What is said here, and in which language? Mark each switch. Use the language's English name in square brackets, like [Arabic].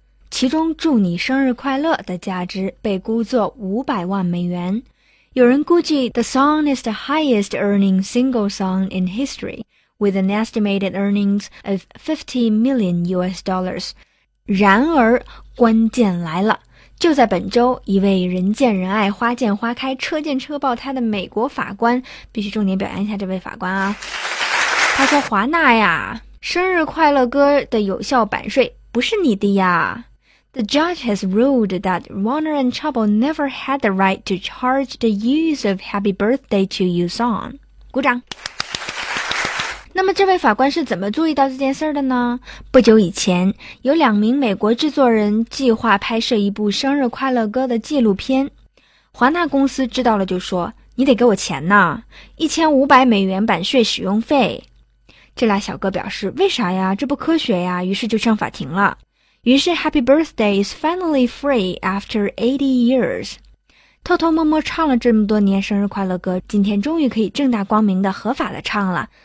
[Chinese] 其中祝你生日快乐的价值被估作$500万。有人估计 [English] The song is the highest earning single song in historyWith an estimated earnings of $50 million. [Chinese] 然而关键来了，就在本周，一位人见人爱、花见花开、车见车爆胎的美国法官，必须重点表扬一下这位法官啊。他说：“华纳呀，生日快乐歌的有效版税不是你的呀。” [English] The judge has ruled that Warner and Chappell never had the right to charge the use of Happy Birthday to You song. [Chinese] 鼓掌。那么这位法官是怎么注意到这件事的呢？不久以前，有两名美国制作人计划拍摄一部生日快乐歌的纪录片。华纳公司知道了就说，你得给我钱呐，$1500版税使用费。这俩小哥表示，为啥呀？这不科学呀，于是就上法庭了。 [English] 于是 Happy Birthday is finally free after 80 years. [Chinese] 偷偷摸摸唱了这么多年生日快乐歌，今天终于可以正大光明的合法的唱了。